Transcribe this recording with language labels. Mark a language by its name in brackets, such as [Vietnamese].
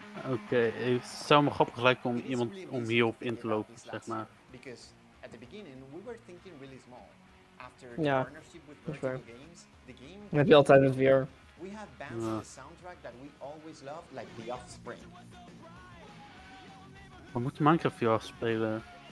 [Dutch] Oké, het zou me grappig lijken om iemand om hierop in te lopen, zeg maar. [English] At the beginning, we were thinking really small. After the partnership with Vertigo Games, the game... Maybe all time with VR. We have bands in the soundtrack that we always love, like The Offspring. [Dutch] We moeten Minecraft VR spelen.